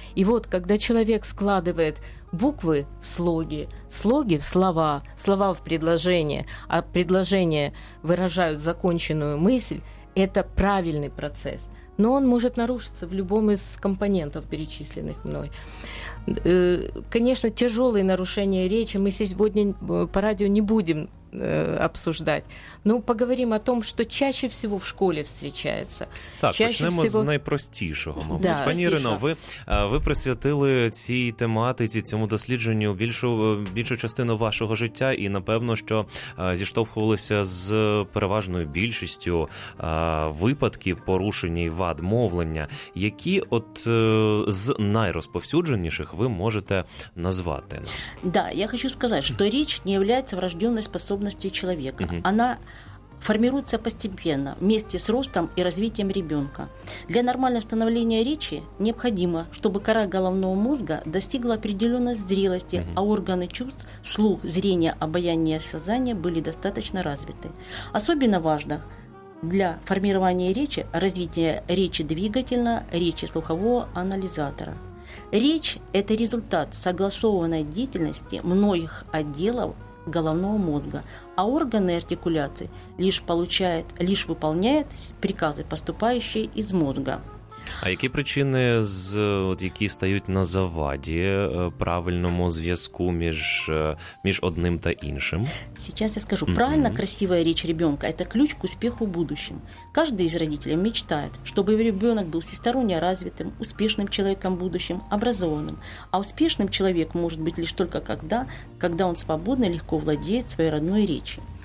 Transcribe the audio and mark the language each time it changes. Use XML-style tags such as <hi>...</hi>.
<ru>И вот, когда человек складывает буквы в слоги, слоги в слова, слова в предложения, а предложения выражают законченную мысль, это правильный процесс. Но он может нарушиться в любом из компонентов, перечисленных мной. Конечно, тяжелые нарушения речи мы сегодня по радио не будем обсуждать. Но поговорим о том, что чаще всего в школе встречается.</ru> <uk>Так, чаще почнемо всего... з найпростішого. Да, пані Ірино, ви присвятили цій тематиці, цьому дослідженню більшу частину вашого життя і, напевно, що зіштовхувалися з переважною більшістю випадків порушень і вад мовлення. Які от з найрозповсюдженіших ви можете назвати? Да, я хочу сказати, що річ не є врожденною способністю человека. Угу.</uk> <ru>Она формируется постепенно, вместе с ростом и развитием ребенка. Для нормального становления речи необходимо, чтобы кора головного мозга достигла определенной зрелости, угу. А органы чувств, слух, зрение, обоняние, осязание были достаточно развиты. Особенно важно для формирования речи развитие речи двигательного, речи слухового анализатора. Речь – это результат согласованной деятельности многих отделов головного мозга, а органы артикуляции лишь выполняют приказы, поступающие из мозга.</ru> <uk>А які причини, які стають на заваді правильному зв'язку між одним та іншим?</uk> <ru>Сейчас я скажу. Правильно, красивая речь ребенка – это ключ к успеху в будущем. Каждый из родителей мечтает, чтобы ребенок был всесторонне развитым, успешным человеком в будущем, образованным. А успешным человек может быть лишь только когда он свободно и легко владеет своей родной речью.</ru>